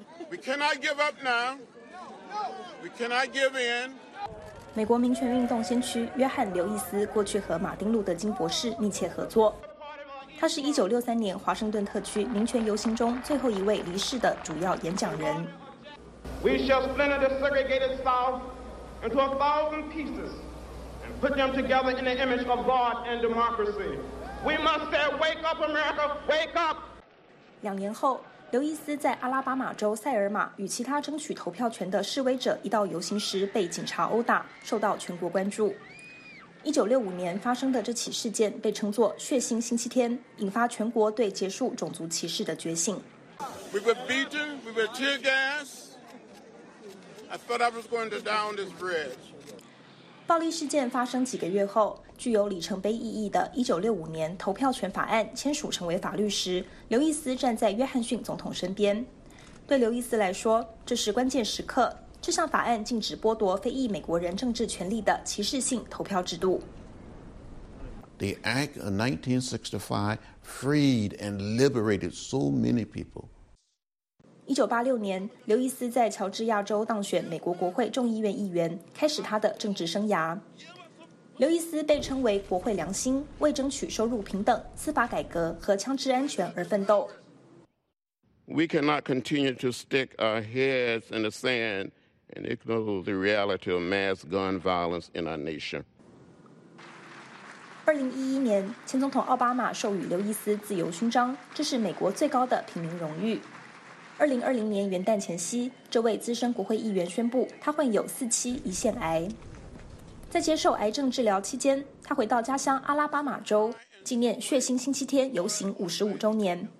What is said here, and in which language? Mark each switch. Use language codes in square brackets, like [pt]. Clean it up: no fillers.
[en] We cannot give up now. We cannot give in. [zh] 美国民权运动先驱约翰·刘易斯过去和马丁·路德·金博士密切合作，他是1963年华盛顿特区民权游行中最后一位离世的主要演讲人。 [en] We shall splinter the segregated South into 1,000 pieces and put them together in the image of God and democracy. We must say, "Wake up, America! Wake up!" [zh] 两年后，刘易斯在阿拉巴马州塞尔玛与其他争取投票权的示威者一道游行时被警察殴打，受到全国关注。 1965年发生的这起事件被称作“血腥星期天”，引发全国对结束种族歧视的决心。 [en] We were beaten, we were tear gassed. I thought I was going to die on this bridge. [zh] 暴力事件发生几个月后，具有里程碑意义的1965年投票权法案签署成为法律时，刘易斯站在约翰逊总统身边。对刘易斯来说，这是关键时刻，这项法案禁止剥夺非裔美国人政治权利的歧视性投票制度。 [en] The Act of 1965 freed and liberated so many people. [zh] 1986年，刘易斯在乔治亚州当选美国国会众议院议员，开始他的政治生涯。刘易斯被称为国会良心，为争取收入平等、司法改革和枪支安全而奋斗。 [en] We cannot continue to stick our heads in the sand and ignore the reality of mass gun violence in our nation. [zh] 2011年，前总统奥巴马授予刘易斯自由勋章，这是美国最高的平民荣誉。 2020年元旦前夕，这位资深国会议员宣布他患有4期胰腺癌。在接受癌症治疗期间，他回到家乡阿拉巴马州纪念血腥星期天游行55周年。